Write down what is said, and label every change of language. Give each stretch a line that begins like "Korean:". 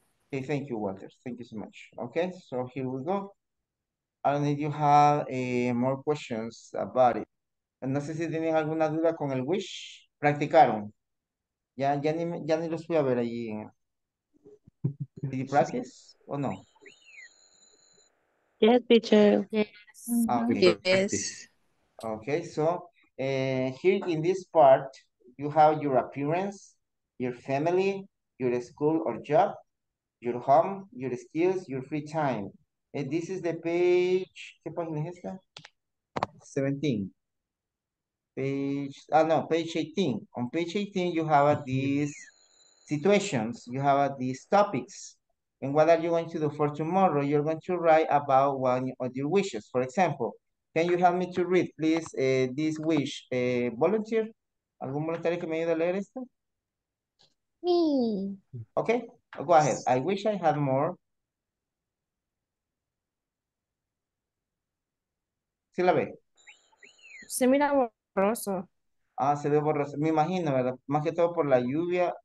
English: Okay, thank you, Walter. Thank you so much. Okay, so here we go. I don't know if you have more questions about it.
Spanish: No sé si tienen alguna duda con el wish. ¿Practicaron? Ya ni los voy a ver allí.
English: ¿Did you practice
Spanish: o no?
English: Yes, teacher. Yes. Okay, so here in this part, you have your appearance, your family, your school or job, your home, your skills, your free time. And this is the page,
Spanish: ¿qué página es esta?
English: 17. Page 18. On page 18, you have these situations, you have these topics. And what are you going to do for tomorrow? You're going to write about one of your wishes. For example, can you help me to read, please, this wish? Volunteer?
Spanish: ¿Algún voluntario que me ayude a leer esto?
English: Me. Okay, go ahead. I wish I had more.
Spanish: ¿Sí la ve? Se mira borroso. Ah, se ve borroso. Me imagino, ¿verdad? Más que todo por la lluvia.